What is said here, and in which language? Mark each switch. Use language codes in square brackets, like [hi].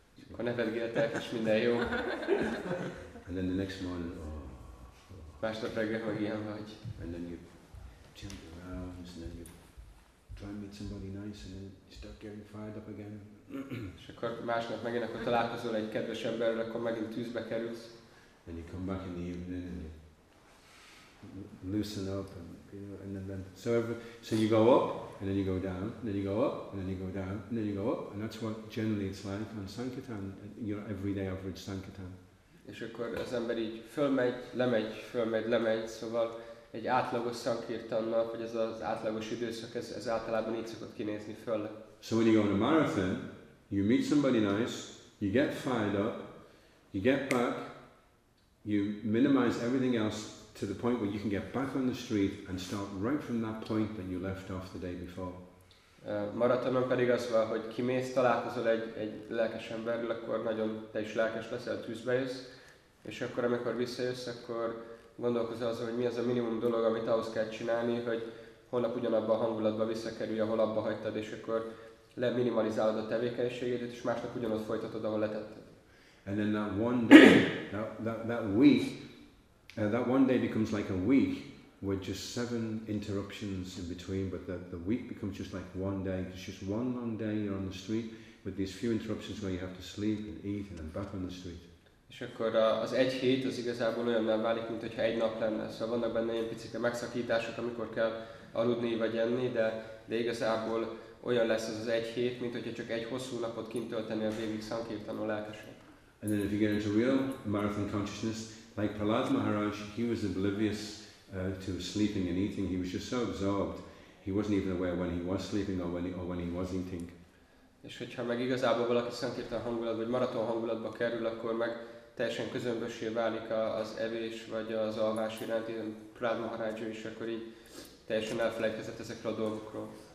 [hu] Akkor nevetgéltek, és minden jó. [en] And then the next morning, [hu] másnap reggel, hogy ilyen vagy. [en] And then you jump around, and then you try and meet somebody nice, and then you start getting fired up again. [hu] És akkor másnap megint, akkor találkozol egy kedves emberrel, akkor megint tűzbe kerülsz. [en] And you come back in the evening, and you loosen up, and you know, and then so so you go up, and then you go down, and then you go up, and then you go down, and then you go up, and that's what generally it's like on sankirtan, your everyday average sankirtan. [hu] És akkor az ember így fölmegy, lemegy, fölmegy, lemegy, szóval egy átlagos szankirtannak, hogy ez az átlagos időszak, ez általában így szokott kinézni föl. [en] So when you go on a marathon, you meet somebody nice, you get fired up, you get back, you minimize everything else to the point where you can get back on the street and start right from that point that you left off the day before. [hu] Maratonon pedig az van, hogy kimész, találkozol egy lelkes emberrel, akkor nagyon te is lelkes leszel, tűzbe jössz, és akkor amikor visszajössz, akkor gondolkozol azon, hogy mi az a minimum dolog, amit ahhoz kell csinálni, hogy holnap ugyanabban a hangulatban visszakerülj, ahol abba hagytad, és akkor leminimalizálod a tevékenységedet, és másnap ugyanott folytatod, ahol letetted. [en] And then that one day, that week becomes like a week. With just seven interruptions in between, but the week becomes just like one day. It's just one long day you're on the street with these few interruptions where you have to sleep and eat and then back on the street. [hu] És akkor az egy hét az igazából olyan nem válik, mint hogyha egy nap lenne. Szóval vannak benne ilyen picike megszakítások, amikor kell aludni vagy enni, de igazából olyan lesz ez az egy hét, mint hogyha csak egy hosszú napot kint töltenél végig szankirtanon lelkesen. [en] And then if you get into real marathon consciousness, like Prahlad Maharaj, he was oblivious to sleeping and eating, he was just so absorbed, he wasn't even aware when he was sleeping or when he was eating. [hu] És hogyha meg igazából valaki szankirtan hangulat vagy maraton hangulatba kerül, akkor meg teljesen közömbössé válik az evés vagy az alvás iránt, ilyen Prahlad Maharaj is, akkor így teljesen elfelejtkezett ezekről a dolgokról.